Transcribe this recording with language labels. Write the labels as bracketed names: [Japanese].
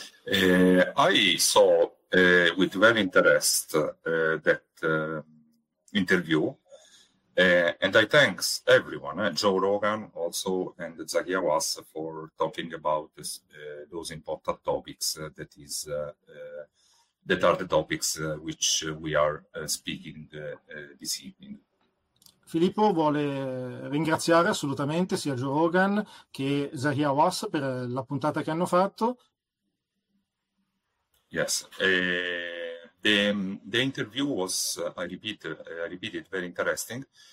[English] I saw with very interest that interview, and I thanks everyone, Joe Rogan also, and Zahi Hawass for talking about this, those important topics that is... that are the topics which we are speaking this evening. [Italian] Filippo vuole ringraziare assolutamente sia Joe Rogan che Zahi Hawass per la puntata che hanno fatto. [English] Yes, the interview was, I repeat it, very interesting.